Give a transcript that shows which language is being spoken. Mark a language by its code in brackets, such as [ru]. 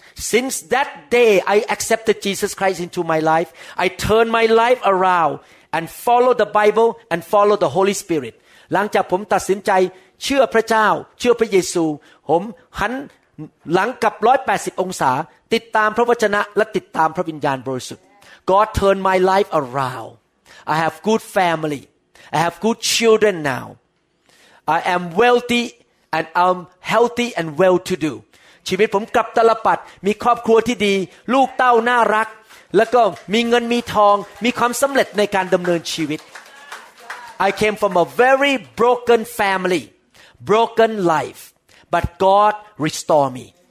[en] Since that day I accepted Jesus Christ into my life I turned my life around and followed the Bible and followed the Holy Spirit [th] หลังจากผมตัดสินใจเชื่อพระเจ้าเชื่อพระเยซูผมหันหลังกลับ180องศาติดตามพระวจนะและติดตามพระวิญญาณบริสุทธิ์ [en] God turned my life around I have good family I have good children now I am wealthy and I'm healthy and well to do. [th] ชีวิตผมกลับตลปัดมีครอบครัวที่ดีลูกเต้าน่ารักแล้วก็มีเงินมีทองมีความสำเร็จในการดำเนินชีวิต [en] I came from a very broken family, broken life, but God restored me.